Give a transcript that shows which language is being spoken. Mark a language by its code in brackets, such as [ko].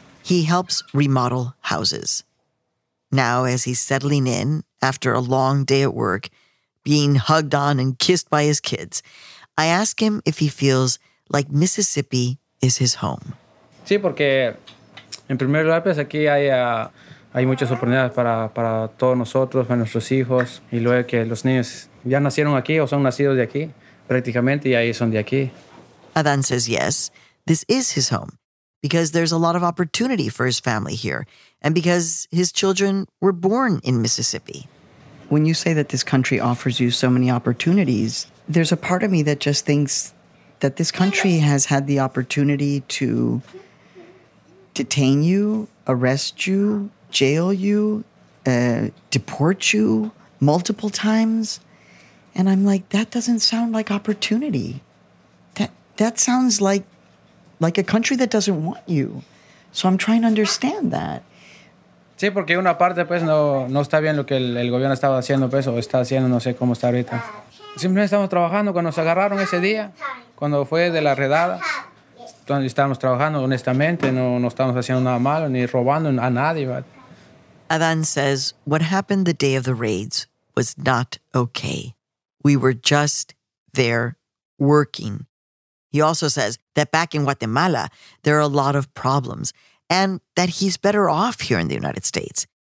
[en] He helps remodel houses. Now, as he's settling in, after a long day at work, being hugged on and kissed by his kids, I ask him if he feels like Mississippi is his home. [es] Sí, porque en primer lugar, pues aquí hay muchas oportunidades para todos nosotros, para nuestros hijos, y luego que los niños ya nacieron aquí o son nacidos de aquí, prácticamente, y ahí son de aquí. [en] Adan says yes, this is his home, because there's a lot of opportunity for his family here, and because his children were born in Mississippi. When you say that this country offers you so many opportunities, there's a part of me that just thinks that this country has had the opportunity to detain you, arrest you, jail you, deport you multiple times. And I'm like, that doesn't sound like opportunity. That sounds like a country that doesn't want you. So I'm trying to understand that. [es] Sí, porque una parte, pues, no está bien lo que el gobierno estaba haciendo, pues, o está haciendo, no sé cómo está ahorita. Simplemente estamos trabajando. Cuando nos agarraron ese día, cuando fue de la redada, estábamos trabajando honestamente, no estábamos haciendo nada malo, ni robando a nadie. [en] But. Adan says what happened the day of the raids was not okay. We were just there working. He also says that back in Guatemala, there are a lot of problems, and that he's better off here in the United States.